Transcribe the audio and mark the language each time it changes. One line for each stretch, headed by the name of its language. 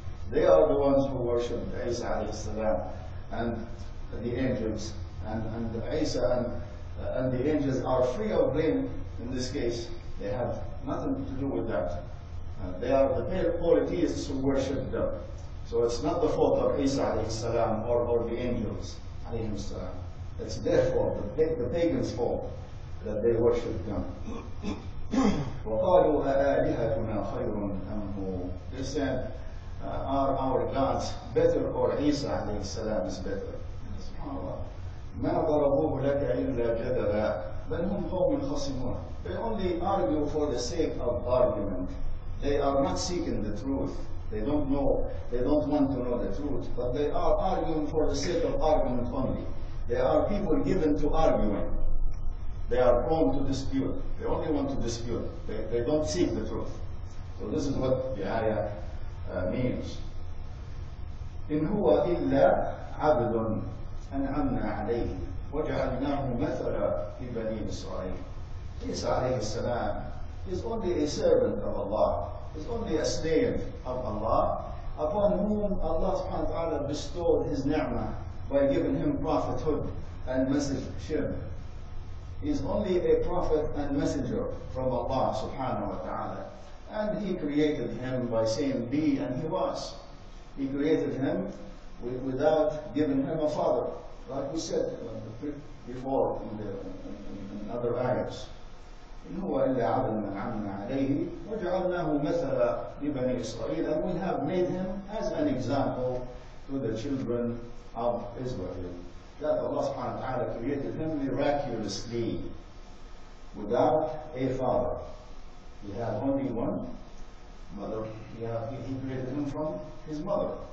English: They are the ones who worship Isa alayhi salam and the angels, and Isa and the angels are free of blame in this case. They have nothing to do with that. They are the polytheists who worship them. So it's not the fault of Isa alayhi salam or the angels alayhi salam. It's their fault, the pagans' fault. that they worship them.
Arabic: وقالوا أآلهتنا خير أم هو.
English: They said, are our gods better or عيسى عليه السلام is better.
Arabic: سبحان الله. ما ضربوه لك إلا جدلا بل هم قوم خصمون.
English: They only argue for the sake of argument. They are not seeking the truth. They don't know. They don't want to know the truth. But they are arguing for the sake of argument only. They are people given to arguing. They are prone to dispute. They only want to dispute. They don't seek the truth. So this is what the ayah means.
Arabic: إن هو إلا عبد أنعمنا عليه وجعلناه مثلا في بني إسرائيل.
English: عيسى عليه السلام is only a servant of Allah. It's only a slave of Allah upon whom Allah subhanahu wa ta'ala bestowed his ni'mah by giving him prophethood and messengership. He's only a prophet and messenger from Allah subhanahu wa ta'ala. And he created him by saying be and he was. He created him without giving him a father, like we said before in other ayahs.
Arabic: إن هو إلا عبد من عمنا عليه وجعلناه مثلا لبني إسرائيل.
English: And we have made him as an example to the children of Israel. That Allah سبحانه وتعالى created him miraculously without a father. He had only one mother. He created him from his mother.